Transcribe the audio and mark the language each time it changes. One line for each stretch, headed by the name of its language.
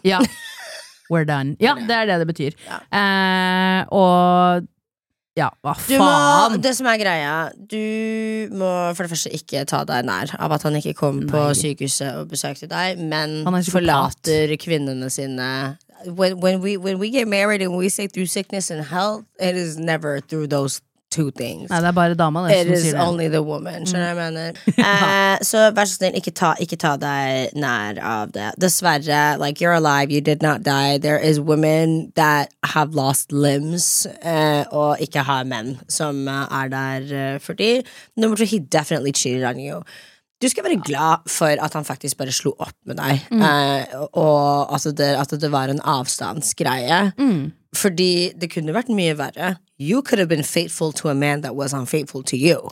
Norwegian: Ja. We're done. Ja, det det betyr. Ja. Og... Ja, hva faen? Du må, det som greia, du må for det første ikke ta deg nær av at han ikke kom Nei. På sykehuset og besøkte deg, men forlater kvinnene sine.
English: When we get married and we say through sickness and health, it is never through those two things.
Norwegian: Nei, det bare dama det som sier det. It is only the woman, skjønner jeg mener. Så vær så snill, ikke ta deg nær av det.
English: Dessverre, like, you're alive, you did not die.
Norwegian: There is women that have lost limbs, og ikke har menn som der for de. Nummer to, he definitely cheated on you. Du skal være glad for at han faktisk bare slo opp med deg, og at det var en avstandsgreie. Fordi det kunne vært mye verre.
English: You could have been faithful to a man that was unfaithful to you.